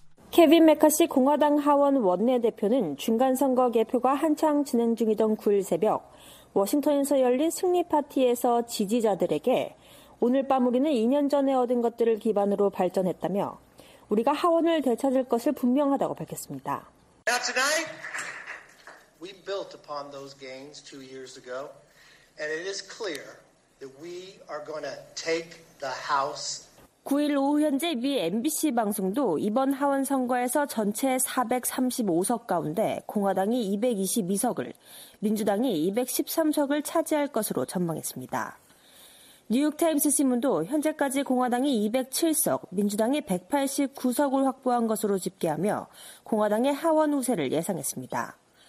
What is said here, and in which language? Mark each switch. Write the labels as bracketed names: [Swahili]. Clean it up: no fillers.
[Korean] 케빈 메카시 공화당 하원 원내대표는 중간선거 개표가 한창 진행 중이던 9일 새벽 워싱턴에서 열린 승리 파티에서 지지자들에게 오늘 밤 우리는 2년 전에 얻은 것들을 기반으로 발전했다며 우리가 하원을 되찾을 것을 분명하다고 밝혔습니다. [English] We built upon those gains 2 years ago, and it is clear that we are going to take the house. [Korean] 9일 오후 현재 미 MBC 방송도 이번 하원 선거에서 전체 435석 가운데 공화당이 222석을, 민주당이 213석을 차지할 것으로 전망했습니다. 뉴욕타임스 신문도 현재까지 공화당이 207석, 민주당이 189석을 확보한 것으로 집계하며 공화당의 하원 우세를 예상했습니다.